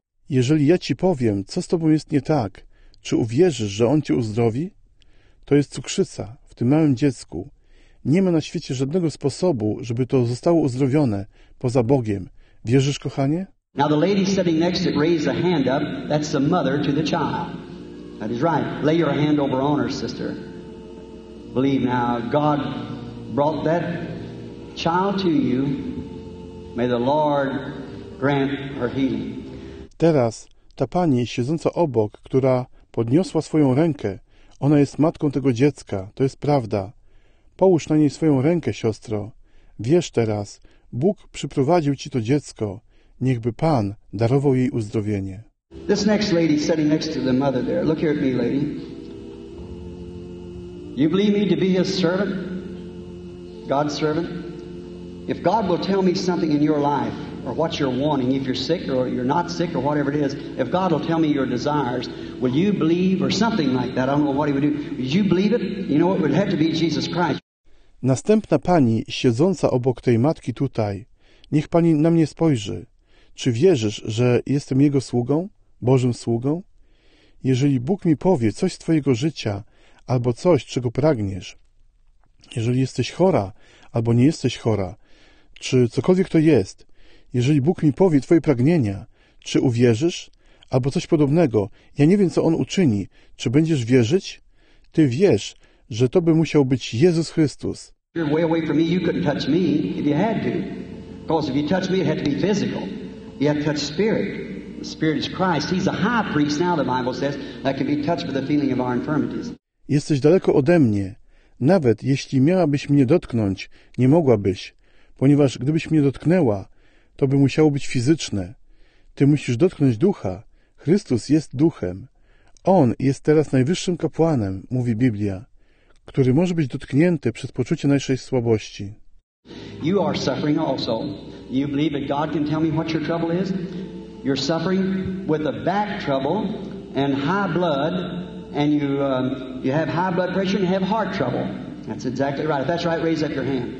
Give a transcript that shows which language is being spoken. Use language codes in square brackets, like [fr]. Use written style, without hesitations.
[pl] Jeżeli ja ci powiem, co z tobą jest nie tak, czy uwierzysz, że On cię uzdrowi? To jest cukrzyca w tym małym dziecku. Nie ma na świecie żadnego sposobu, żeby to zostało uzdrowione poza Bogiem. Wierzysz, kochanie? [en] Now the lady sitting next to it raised a hand up. That's the mother to the child. That is right. Lay your hand over on her, sister. Believe now, God brought that child to you. May the Lord grant her healing. [pl] Teraz ta pani siedząca obok, która podniosła swoją rękę, ona jest matką tego dziecka, to jest prawda. Połóż na niej swoją rękę, siostro. Wierz teraz, Bóg przyprowadził ci to dziecko. Niechby Pan darował jej uzdrowienie. [en] This next lady sitting next to the mother there. Look here at me, lady. You believe me to be his servant? God's servant? If God will tell me something in your life, or what you're wanting, if you're sick or you're not sick or whatever it is, if God will tell me your desires, will you believe or something like that? I don't know what he would do. Would you believe it? You know, it would have to be Jesus Christ. [pl] Następna pani siedząca obok tej matki tutaj, niech pani na mnie spojrzy. Czy wierzysz, że jestem Jego sługą, Bożym sługą? Jeżeli Bóg mi powie coś z twojego życia albo coś, czego pragniesz, jeżeli jesteś chora albo nie jesteś chora, czy cokolwiek to jest, jeżeli Bóg mi powie twoje pragnienia, czy uwierzysz albo coś podobnego, ja nie wiem, co On uczyni, czy będziesz wierzyć? Ty wiesz, że to by musiał być Jezus Chrystus. [en] You're way away from me. You couldn't touch me if you had to. Because if you touch me, it had to be physical. You have to touch spirit. The spirit is Christ. He's a high priest now, the Bible says, that can be touched with the feeling of our infirmities. [pl] Jesteś daleko ode mnie. Nawet jeśli miałabyś mnie dotknąć, nie mogłabyś, ponieważ gdybyś mnie dotknęła, to by musiało być fizyczne. Ty musisz dotknąć ducha. Chrystus jest duchem. On jest teraz najwyższym kapłanem, mówi Biblia, który może być dotknięty przez poczucie naszej słabości. [en] You are suffering also. You believe that God can tell me what your trouble is? You're suffering with a back trouble and high blood, and you have high blood pressure and you have heart trouble. That's exactly right. If that's right, raise up your hand.